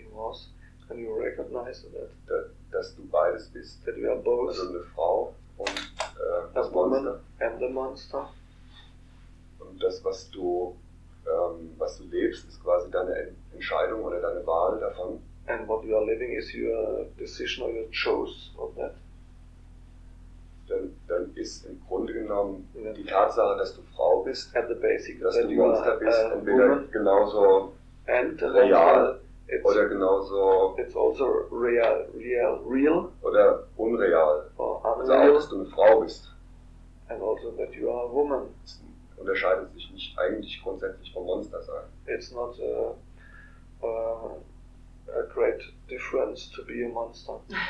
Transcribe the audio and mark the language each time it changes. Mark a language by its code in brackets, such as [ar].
[en] was, can you recognize that? [de] Dass du beides bist. [en] That we are both. [de] Also eine Frau und das Monster. [en] And the monster. [de] Und das, was du lebst, ist quasi deine Entscheidung oder deine Wahl davon. [en] And what you are living is your decision or your choice of that. [de] Dann ist im Grunde genommen die Tatsache, dass du Frau bist, [en] at the basic, [de] dass du Monster bist, entweder genauso [en] and [de] real oder genauso [en] it's also real [de] oder unreal. Also auch, dass du eine Frau bist. [en] And also that you are a woman. [de] Es unterscheidet sich nicht eigentlich grundsätzlich vom Monster sein. [en] It's not a great difference to be a monster.